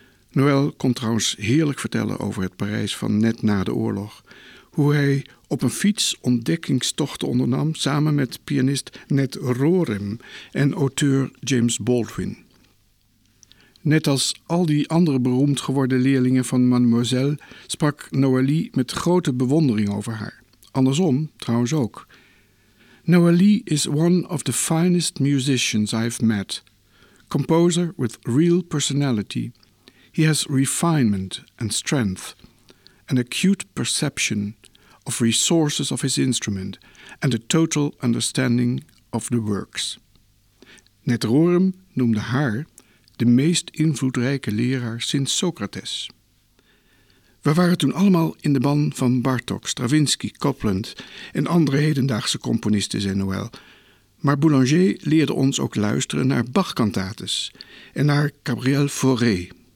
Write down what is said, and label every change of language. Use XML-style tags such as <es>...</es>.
<nl>Noël kon trouwens heerlijk vertellen over het Parijs van net na de oorlog, hoe hij op een fiets ontdekkingstochten ondernam samen met pianist Ned Rorem en auteur James Baldwin. Net als al die andere beroemd geworden leerlingen van Mademoiselle sprak Noëlie met grote bewondering over haar. Andersom trouwens ook.</nl> <en>Noëlie is one of the finest musicians I've met. Composer with real personality. He has refinement and strength. An acute perception of resources of his instrument and a total understanding of the works.</en> <nl>Ned Rorem noemde haar de meest invloedrijke leraar sinds Socrates. We waren toen allemaal in de ban van Bartok, Stravinsky, Copland en andere hedendaagse componisten, zei Noël. Maar Boulanger leerde ons ook luisteren naar Bach-kantates en naar Gabriel Fauré.</nl>